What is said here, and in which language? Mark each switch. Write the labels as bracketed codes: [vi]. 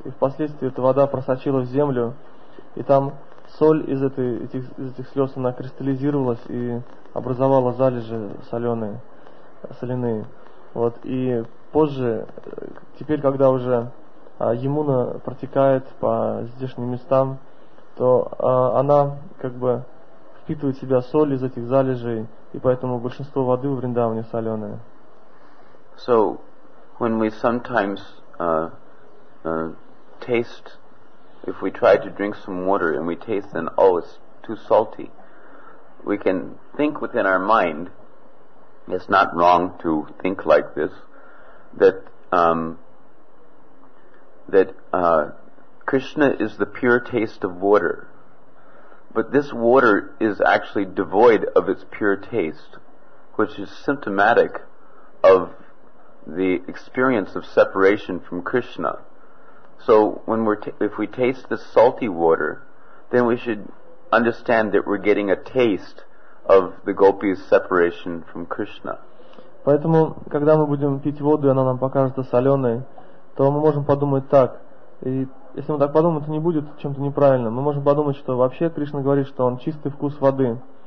[ru] И впоследствии эта вода просочилась в землю, и там соль из этих слез она кристаллизировалась и образовала залежи соленые. Вот. И позже, теперь, когда уже Ямуна протекает по здешним местам, то она как бы впитывает в себя соль из этих залежей, и поэтому большинство воды в Вриндаване соленое. [en] So when we sometimes taste, if we try to drink some water and we taste and oh, it's too salty, we can think within our mind, it's not wrong to think like this, that Krishna is the pure taste of water, but this water is actually devoid of its pure taste, which is symptomatic of the experience of separation from Krishna. So when if we taste the salty water, then we should understand that we're getting a taste of the gopis' separation from Krishna. [ru] Поэтому, когда мы будем пить воду, и она нам покажется соленой, то мы можем подумать так. И если мы так подумаем, это не будет чем-то неправильным. Мы можем подумать, что вообще Кришна говорит, что он чистый вкус воды.